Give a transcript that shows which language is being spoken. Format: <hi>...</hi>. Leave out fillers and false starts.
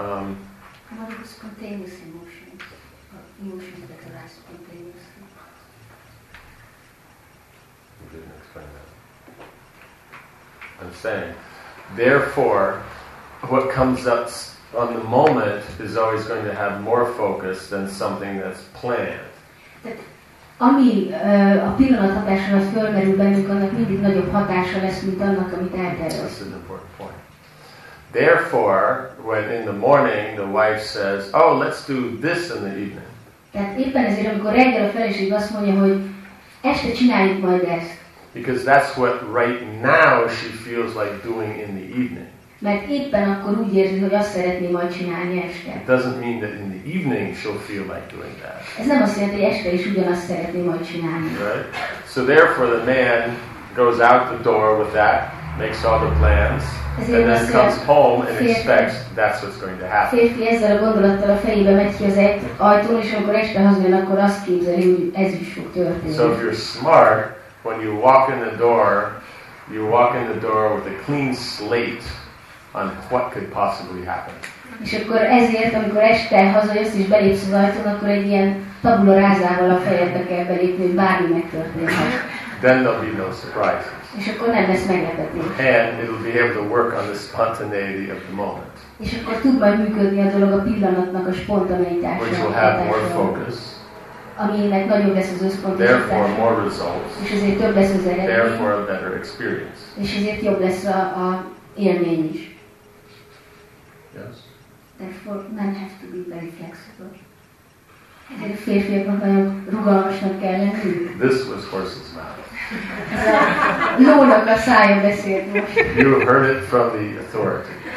<en>about spontaneous emotions? Emotions that are spontaneous. I'm saying, therefore, what comes up on the moment is always going to have more focus than something that's planned.</en> <hu>Ami a pillanat hatásra fölmerül bennünk, annak mindig nagyobb hatása lesz, mint annak, amit eltervezünk.</hu> <en>That's an important point. Therefore, when in the morning the wife says, oh, let's do this in the evening.</en> <hu>Tehát éppen ezért, amikor reggel a feleség azt mondja, hogy este csináljuk majd ezt.</hu> <en>Because that's what right now she feels like doing in the evening.</en> <hu>Mert éppen akkor úgy érzi, hogy azt szeretné majd csinálni este.</hu> <en>It doesn't mean that in the evening she'll feel like doing that.</en> <hu>Ez nem azt jelenti, hogy este is ugyanazt szeretné majd csinálni.</hu> <en>Right? So therefore the man goes out the door with that, makes all the plans, and then comes home and expects that's what's going to happen.</en> <hu>Férfi ezzel a gondolattal a fejébe megy ki az ajtón, és amikor este hazajön, akkor azt képzeli, hogy ez is fog történni.</hu> <en>So if you're smart, when you walk in the door, you walk in the door with a clean slate on what could possibly happen.</en> <hu>És akkor ezért, amikor este hazajössz és belépsz az ajtón, akkor egy ilyen tabula rázával a fejedbe kell belépni, hogy bármi megtörténhet.</hu> <en>Then there'll be no surprises.</en> <hu>És akkor nem lesz meglepetés.</hu> <en>And it'll be able to work on the spontaneity of the moment.</en> <hu>És akkor tud majd működni a dolog a pillanatnak a spontaneitásra.</hu> <en>Which will have more focus.</en> <hu>Aminek nagyobb lesz az összpontosítása.</hu> <en>Therefore more results.</en> <hu>És ezért több lesz az eredmény.</hu> <en>Therefore a better experience.</en> <hu>És ezért jobb lesz a élmény is.</hu> <en>Yes. Therefore men have to be very flexible.</en> <hu>Ezért a férfiaknak nagyon rugalmasnak kell lenni.</hu> <en>This was horse's mouth.</en> <hu>Lónak a szája beszélt most.</hu> <en>You heard it from the authority.</en>